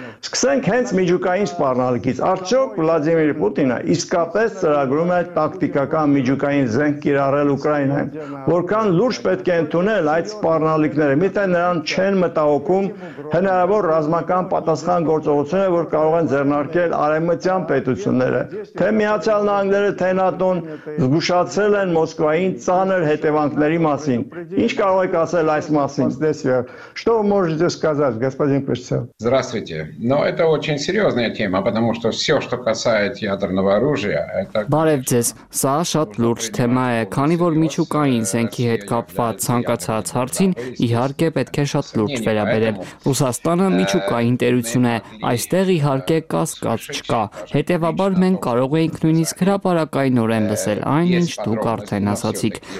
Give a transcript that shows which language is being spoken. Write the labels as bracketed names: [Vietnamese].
[Armenian] Սկսենք հենց միջուկային սպառնալիքից։ Արդյոք Վլադիմիր Պուտինը իսկապես ծրագրում է տակտիկական միջուկային զենք կիրառել Ուկրաինային։ Որքան լուրջ պետք է ընդունել այդ սպառնալիքները, միտե նրան չեն մտահոգում հնարավոր ռազմական պատասխան գործողությունները, որ կարող են ձեռնարկել արևմտյան պետությունները։ Թե Միացյալ Նահանգները, թե ՆԱՏՕ-ն զգուշացել են Մոսկվային ծանր հետևանքների մասին։ Ինչ կարող եք ասել այս մասին, Ստեսիա? [Russian] Что вы можете сказать, господин Пришцев? Здравствуйте. Но это очень серьезная тема, потому что все, что касается ядерного оружия, это... [Armenian] Բարև ձեզ, սա շատ լուրջ թեմա է, քանի որ միջուկային զենքի հետ կապված ցանկացած հարցին, իհարկե պետք է շատ լուրջ վերաբերել։ Ռուսաստանը միջուկային տերություն է, այստեղ իհարկե կասկած չկա, հետևաբար մենք կարող ենք նույնիսկ հրապարակայնորեն լսել այն, ինչ դուք արդեն ասացիք,